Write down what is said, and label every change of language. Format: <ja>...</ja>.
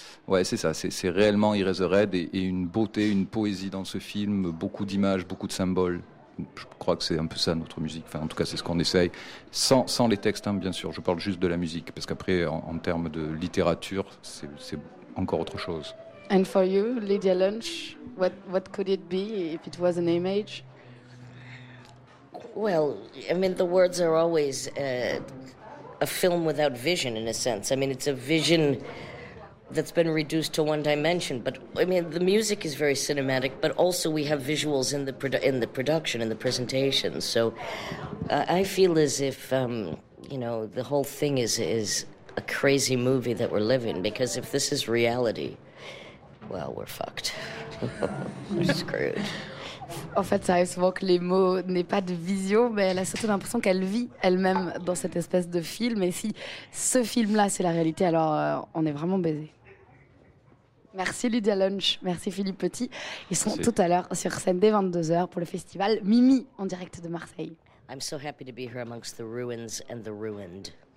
<fr>Ouais, c'est ça, c'est réellement Eraserhead, et une beauté, une poésie dans ce film, beaucoup d'images, beaucoup de symboles. Je crois que c'est un peu ça notre musique, enfin en tout cas c'est ce qu'on essaye, sans les textes, hein, bien sûr, je parle juste de la musique, parce qu'après en termes de littérature c'est encore autre chose.</fr> <en>And for you, Lydia Lunch, what could it be if it was an image? Well, I mean, the words are always a film without vision, in a sense. I mean, it's a vision that's been reduced to one dimension. But, I mean, the music is very cinematic, but also we have visuals in the production, in the presentation. So I feel as if, you know, the whole thing is a crazy movie that we're living, because if this is reality, well, we're fucked. We're screwed.</en> <fr>En fait, ça arrive souvent que les mots n'aient pas de vision, mais elle a surtout l'impression qu'elle vit elle-même dans cette espèce de film. Et si ce film-là, c'est la réalité, alors on est vraiment baisé. Merci Lydia Lunch, merci Philippe Petit. Ils sont tout à l'heure sur scène dès 22h pour le festival Mimi en direct de Marseille.</fr> <en>I'm so happy to be here amongst the ruins and the ruined.</en>